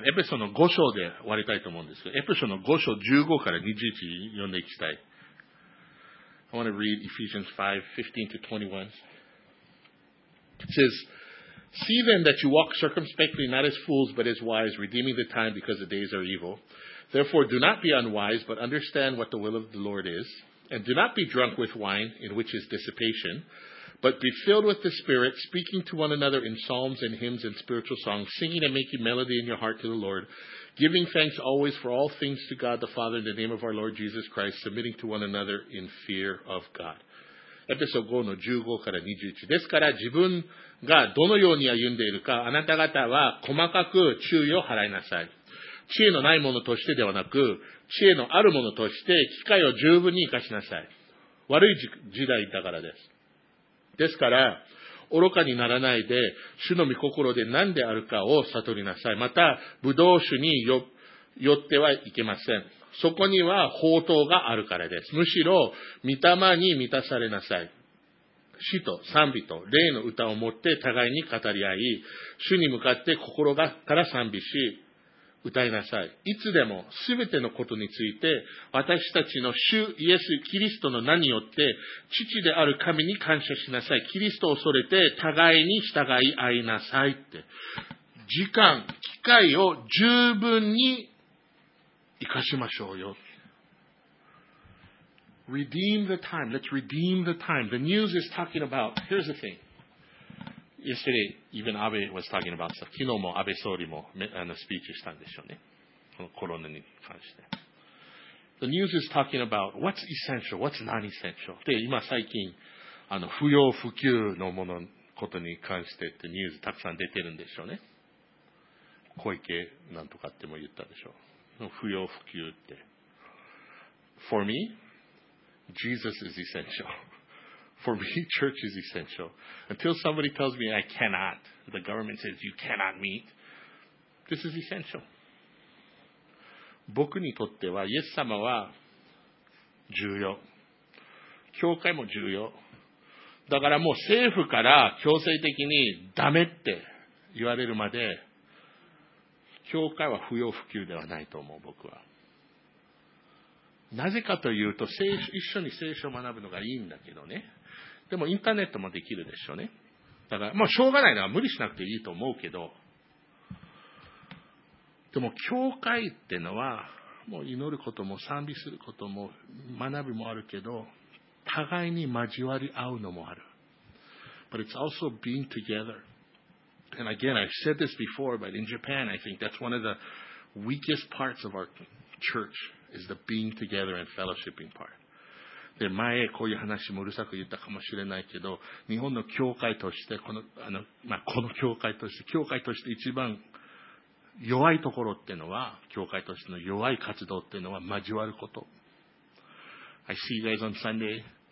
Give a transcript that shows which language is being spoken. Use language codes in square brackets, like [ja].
[ja] エペソの5章で終わりたいと思うんですけど、エペソの5章15から21読んでいきたい。 [en] I want to read Ephesians 5:15 to 21. It says, see then that you walk circumspectly, not as fools, but as wise, redeeming the time because the days are evil. Therefore, do not be unwise, but understand what the will of the Lord is. And do not be drunk with wine, in which is dissipation, but be filled with the Spirit, speaking to one another in psalms and hymns and spiritual songs, singing and making melody in your heart to the Lord, giving thanks always for all things to God the Father in the name of our Lord Jesus Christ, submitting to one another in fear of God. [ja] エペソ5の15から21ですから、自分がどのように歩んでいるか、あなた方は細かく注意を払いなさい。知恵のないものとしてではなく、知恵のあるものとして機会を十分に生かしなさい。悪い時代だからです。ですから、愚かにならないで、主の御心で何であるかを悟りなさい。また、葡萄酒に寄ってはいけません。そこには宝刀があるからです。むしろ、御霊に満たされなさい。詩と賛美と霊の歌を持って互いに語り合い、主に向かって心から賛美し、歌いなさい。いつでもすべてのことについて、私たちの主イエス・キリストの名によって、父である神に感謝しなさい。キリストを恐れて互いに従い合いなさいって。時間、機会を十分に生かしましょうよ。 [en] Redeem the time. Let's redeem the time. The news is talking about, here's the thing. Yesterday, even Abe was talking about stuff. [ja] 昨日も安倍総理もスピーチしたんでしょうね。このコロナに関して。 [en] The news is talking about what's essential, what's non-essential. [ja] で、今最近、不要不急のもののことに関してってニュースたくさん出てるんでしょうね。小池なんとかっても言ったでしょう。不要不急って。 [en] For me, Jesus is essential. For me, church is essential. Until somebody tells me I cannot, the government says you cannot meet, this is essential. [ja] 僕にとっては、イエス様は重要。教会も重要。だからもう政府から強制的にダメって言われるまで、教会は不要不急ではないと思う、僕は。なぜかというと、一緒に聖書を学ぶのがいいんだけどね。でも、インターネットもできるでしょうね。だから、もうしょうがないのは無理しなくていいと思うけど、でも、教会ってのは、もう祈ることも賛美することも学びもあるけど、互いに交わり合うのもある。 [en] But it's also being together. And again, I've said this before, but in Japan, I think that's one of the weakest parts of our church is the being together and fellowshipping part. [ja] で、前こういう話もうるさく言ったかもしれないけど、日本の教会として、この教会として、教会として一番弱いところっていうのは、教会としての弱い活動っていうのは交わること。 [en] I see you guys on Sunday.